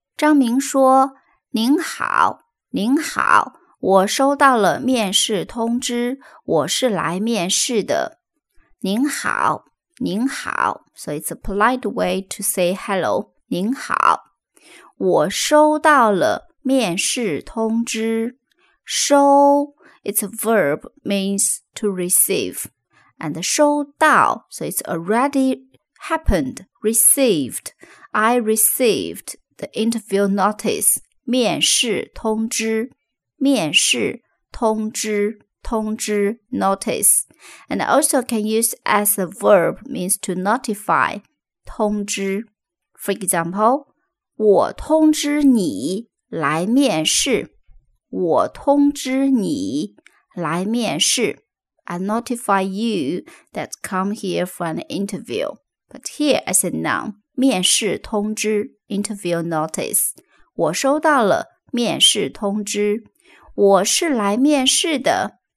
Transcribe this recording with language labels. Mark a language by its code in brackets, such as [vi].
[zh] 张明说，您好，您好，我收到了面试通知，我是来面试的。您好，您好。 [en] So it's a polite way to say hello. [zh] 您好，我收到了面试通知。 [en] 收 ，it's a verb means to receive, and 收到 ，so it's already happened, received. I received the interview notice. [zh] 面试通知，面试通知。 [en] 通知 notice, and also can use as a verb means to notify, 通知 For example, [zh] 我通知你来面试，我通知你来面试 [en] I notify you that come here for an interview. But here as a noun, 面试通知 interview notice. [zh] 我收到了面试通知，我是来面试的。